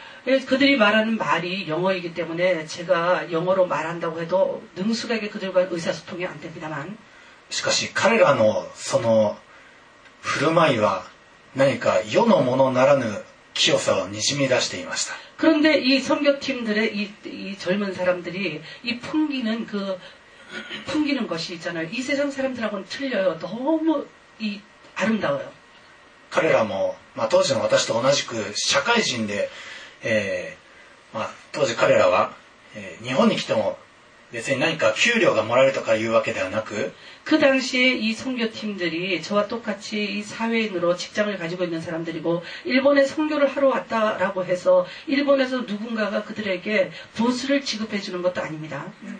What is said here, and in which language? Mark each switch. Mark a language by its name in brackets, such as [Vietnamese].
[Korean] 그들이말하는말이영어이기때문에제가영어로말한다고해도능숙하게그들과의사소통이안됩니다만 [Japanese] しかし彼らのその振る舞いは何か世のものならぬ清さをにじみ出していました [Korean] 그런데이선교팀들의 이젊은사람들이이풍기는그풍기는것이있잖아요이세상사람들하고는틀려요너무이아름다워요 [Japanese] 彼らも、まあ、当時の私と同じく社会人で、まあ、当時彼らは、日本に来ても別に何か給料がもらえるとかいうわけではなく [Korean] 그당시에이선교팀들이저와똑같이이사회인으로직장을가지고있는사람들이고일본에선교를하러왔다라고해서일본에서누군가가그들에게보수를지급해주는것도아닙니다